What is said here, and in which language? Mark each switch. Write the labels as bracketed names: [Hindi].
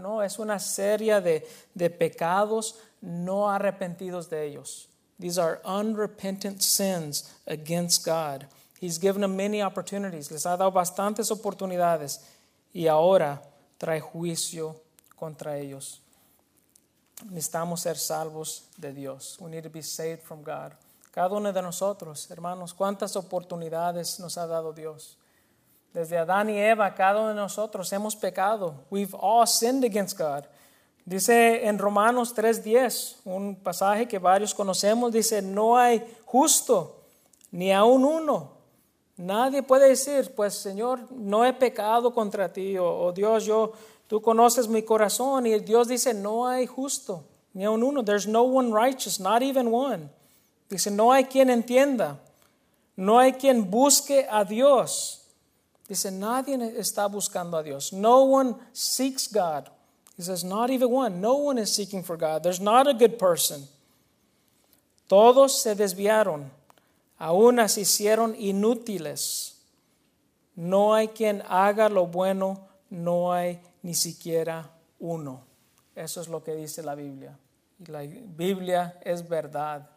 [Spanish] No, es una serie de pecados no arrepentidos de ellos. [English] These are unrepentant sins against God. He's given them many opportunities. [Spanish] Les ha dado bastantes oportunidades y ahora trae juicio contra ellos. Necesitamos ser salvos de Dios. [English] We need to be saved from God. [Spanish] Cada uno de nosotros, hermanos, ¿cuántas oportunidades nos ha dado Dios? Desde Adán y Eva, cada uno de nosotros hemos pecado. [English] We've all sinned against God. [Spanish] Dice en Romanos 3:10, un pasaje que varios conocemos, dice, no hay justo, ni aun uno. Nadie puede decir, pues Señor, no he pecado contra ti, o Dios, tú conoces mi corazón. Y Dios dice, no hay justo, ni aun uno. [English] There's no one righteous, not even one. [Spanish] Dice, no hay quien entienda, no hay quien busque a Dios. Dice, nadie está buscando a Dios. [English] No one seeks God. He says, not even one. No one is seeking for God. There's not a good person. [Spanish] Todos se desviaron, aún así hicieron inútiles. No hay quien haga lo bueno, no hay ni siquiera uno. Eso es lo que dice la Biblia. Y la Biblia es verdad.